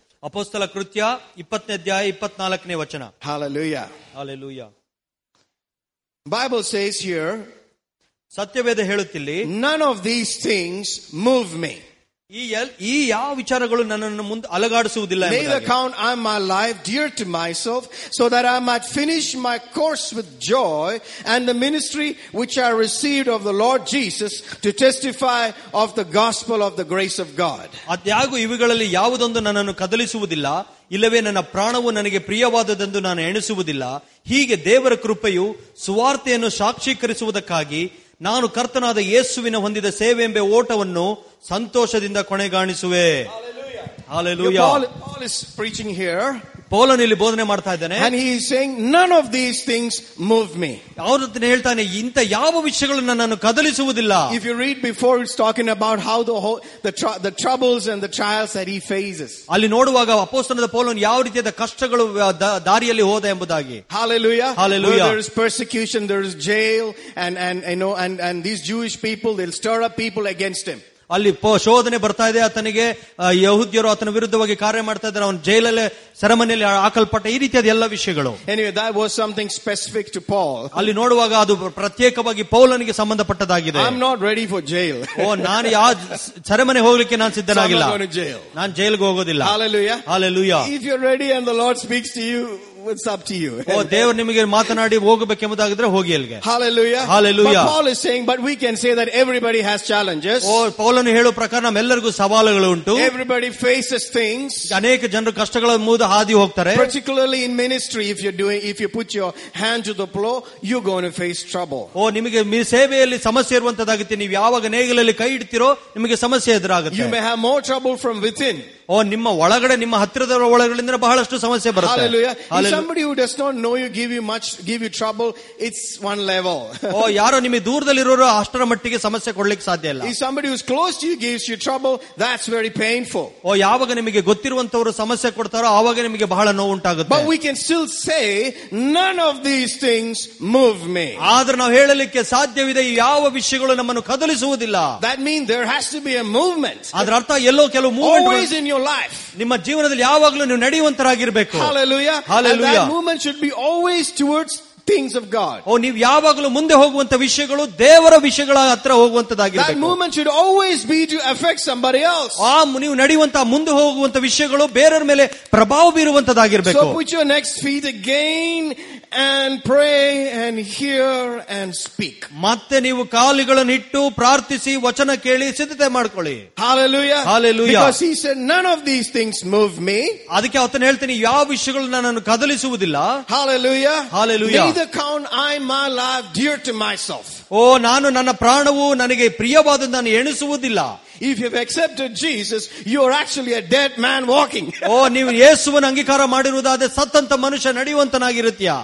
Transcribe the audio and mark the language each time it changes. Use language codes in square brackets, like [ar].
[kn] ಅಪೋಸ್ತಲ ಕೃತ್ಯ 20:24 ವಚನ. [en] Hallelujah. Hallelujah. Bible says here, [kn] Satyaveda ಹೇಳುತ್ತಿಲ್ಲಿ, [en] none of these things move me. [kn] ಈ ಯಾವ ವಿಚಾರಗಳು ನನ್ನನ್ನು ಮುಂದೆ ಅಲಗಾಡಿಸುವುದಿಲ್ಲ. [en] Neither count I my life dear to myself, so that I might finish my course with joy and the ministry which I received of the Lord Jesus to testify of the gospel of the grace of God. [kn] ಅದ್ಯಾಗೂ ಇವುಗಳಲ್ಲಿ ಯಾವುದೊಂದು ನನ್ನನ್ನು ಕದಲಿಸುವುದಿಲ್ಲ, ಇಲ್ಲವೇ ನನ್ನ ಪ್ರಾಣವು ನನಗೆ ಪ್ರಿಯವಾದದೆಂದು ನಾನು ಎಣಿಸುವುದಿಲ್ಲ. ಹೀಗೆ ದೇವರ ಕೃಪೆಯು ಸುವಾರ್ತೆಯನ್ನು ಸಾಕ್ಷೀಕರಿಸುವುದಕ್ಕಾಗಿ ನಾನು ಕರ್ತನಾದ ಯೇಸುವಿನ ಹೊಂದಿದ ಸೇವೆ ಎಂಬ ಓಟವನ್ನು ಸಂತೋಷದಿಂದ ಕೊನೆಗಾಣಿಸುವೆ. [en] Hallelujah. Paul is preaching here. [kn] ಪೌಲನ್ ಇಲ್ಲಿ ಬೋಧನೆ ಮಾಡ್ತಾ ಇದ್ದಾನೆ. [en] And he is saying none of these things move me. [kn] ಅವರು ಹೇಳ್ತಾನೆ ಇಂತ ಯಾವ ವಿಷಯಗಳು ನನ್ನನ್ನು ಕದಲಿಸುವುದಿಲ್ಲ. [en] If you read before, it's talking about how the troubles and the trials that he faces. [kn] ಅಲ್ಲಿ ನೋಡುವಾಗ ಅಪೋಸ್ತಲನಾದ ಪೌಲನ್ ಯಾವ ರೀತಿಯಾದ ಕಷ್ಟಗಳು ದಾರಿಯಲ್ಲಿ ಹೋದ ಎಂಬುದಾಗಿ. [en] Hallelujah. Hallelujah. There is persecution, there is jail and these Jewish people, they'll stir up people against him. [kn] ಅಲ್ಲಿ ಶೋಧನೆ ಬರ್ತಾ ಇದೆ ಆತನಿಗೆ, ಯಹೂದ್ಯರು ಆತನ ವಿರುದ್ಧವಾಗಿ ಕಾರ್ಯ ಮಾಡ್ತಾ ಇದ್ದಾರೆ, ಅವನ ಜೈಲಲ್ಲೇ ಸೆರೆಮನೆಯಲ್ಲಿ ಹಾಕಲ್ಪಟ್ಟ, ಈ ರೀತಿಯಾದ ಎಲ್ಲ ವಿಷಯಗಳು. [en] Anyway, that was something specific to Paul. [kn] ಅಲ್ಲಿ ನೋಡುವಾಗ ಅದು ಪ್ರತ್ಯೇಕವಾಗಿ ಪೌಲನಿಗೆ ಸಂಬಂಧಪಟ್ಟದಾಗಿದೆ. [en] I'm not ready for jail. [kn] ಓ ನಾನು ಯಾವ ಸೆರೆಮನೆ ಹೋಗಲಿಕ್ಕೆ ನಾನು ಸಿದ್ಧನಾಗಿಲ್ಲ, ನಾನು ಜೈಲ್ಗೆ ಹೋಗೋದಿಲ್ಲ. [en] Hallelujah. Hallelujah. If you're ready and the Lord speaks to you, it's up to you. [kn] ಓ ದೇವರು ನಿಮಗೆ ಮಾತನಾಡಿ ಹೋಗಬೇಕೆಂಬುದಾಗಿದ್ರೆ ಹೋಗಿ ಅಲ್ಲಿಗೆ. [en] Hallelujah. Hallelujah. But Paul is saying, but we can say that everybody has challenges. [kn] ಓ ಪೌಲನು ಹೇಳೋ ಪ್ರಕಾರ ನಮ್ಮೆಲ್ಲರಿಗೂ ಸವಾಲುಗಳು ಉಂಟು. [en] Everybody faces things. [kn] ಅನೇಕ ಜನರು ಕಷ್ಟಗಳ ಮೂಲಕ ಹಾದಿ ಹೋಗ್ತಾರೆ. [en] Particularly in ministry, if you put your hand to the plow, you're going to face trouble. [kn] ಓ ನಿಮಗೆ ಸೇವೆಯಲ್ಲಿ ಸಮಸ್ಯೆ ಇರುವಂತದಾಗುತ್ತೆ. ನೀವು ಯಾವಾಗ ನೇಗಿಲಲ್ಲಿ ಕೈ ಇಡ್ತಿರೋ ನಿಮಗೆ ಸಮಸ್ಯೆ ಎದುರಾಗುತ್ತೆ. [en] You may have more trouble from within. [kn] ಓ ನಿಮ್ಮ ಒಳಗಡೆ ನಿಮ್ಮ ಹತ್ತಿರದ ಒಳಗಡೆ ಬಹಳಷ್ಟು ಸಮಸ್ಯೆ ಬರುತ್ತೆ. [en] Somebody who does not know you, give you much, give you trouble, it's one level. [kn] ಓ ಯಾರು ನಿಮಗೆ ದೂರದಲ್ಲಿ ಇರೋರು ಅಷ್ಟರ ಮಟ್ಟಿಗೆ ಸಮಸ್ಯೆ ಕೊಡ್ಲಿಕ್ಕೆ ಸಾಧ್ಯ ಇಲ್ಲ. [en] Somebody who's close to you gives you trouble, that's very painful. [kn] ಓ ಯಾವಾಗ ನಿಮಗೆ ಗೊತ್ತಿರುವಂತವರು ಸಮಸ್ಯೆ ಕೊಡ್ತಾರೋ ಆವಾಗ ನಿಮಗೆ ಬಹಳ ನೋವುಂಟಾಗುತ್ತೆ. [en] But we can still say, none of these things move me. [kn] ಆದ್ರೆ ನಾವು ಹೇಳಲಿಕ್ಕೆ ಸಾಧ್ಯವಿದೆ ಯಾವ ವಿಷಯಗಳು ನಮ್ಮನ್ನು ಕದಲಿಸುವುದಿಲ್ಲ. [en] That means there has to be a movement. [kn] ಅದರ ಅರ್ಥ ಎಲ್ಲೋ ಕೆಲವು [en] movement always in your life. [kn] ನಿಮ್ಮ ಜೀವನದಲ್ಲಿ ಯಾವಾಗಲೂ ನೀವು ನಡೆಯುವಂತರಾಗಿರಬೇಕು. [en] Hallelujah. Hallelujah. And that movement should be always towards things of God. [kn] ಓ ನೀವು ಯಾವಾಗಲೂ ಮುಂದೆ ಹೋಗುವಂತ ವಿಷಯಗಳು ದೇವರ ವಿಷಯಗಳ ಹತ್ರ ಹೋಗುವಂತದಾಗಿರಬೇಕು. [en] That movement should always be to affect somebody else. [kn] ಆ ನೀವು ನಡೆಯುವಂತ ಮುಂದೆ ಹೋಗುವಂತ ವಿಷಯಗಳು ಬೇರೆಯವರ ಮೇಲೆ ಪ್ರಭಾವ ಬೀರುವಂತದಾಗಿರಬೇಕು. [en] So put your next feet again and pray and hear and speak. [kn] ಮತ್ತೆ ನೀವು ಕಾಲುಗಳನ್ನು ಇಟ್ಟು ಪ್ರಾರ್ಥಿಸಿ ವಚನ ಕೇಳಿ ಸಿದ್ಧತೆ ಮಾಡ್ಕೊಳ್ಳಿ. [en] Hallelujah. Hallelujah. Because he said, none of these things move me. [kn] ಅದಕ್ಕೆ ಆತನು ಹೇಳ್ತಾನೆ ಯಾವ ವಿಷಯಗಳು ನನ್ನನ್ನು ಕದಲಿಸುವುದಿಲ್ಲ. [en] Hallelujah. Hallelujah. Neither count I my life dear to myself. [kn] ಓ ನಾನು ನನ್ನ ಪ್ರಾಣವು ನನಗೆ ಪ್ರಿಯವಾದದ್ದು ನಾನು ಎಣಿಸುವುದಿಲ್ಲ. [en] If you've accepted Jesus, you're actually a dead man walking. [kn] Oh, ನೀವು ಯೇಸುವನ್ನು ಅಂಗೀಕಾರ ಮಾಡಿರುವುದಾದ್ರೆ ಸತ್ತಂತ ಮನುಷ್ಯ ನಡೆಯುವಂತನಾಗಿರುತ್ತೀಯ.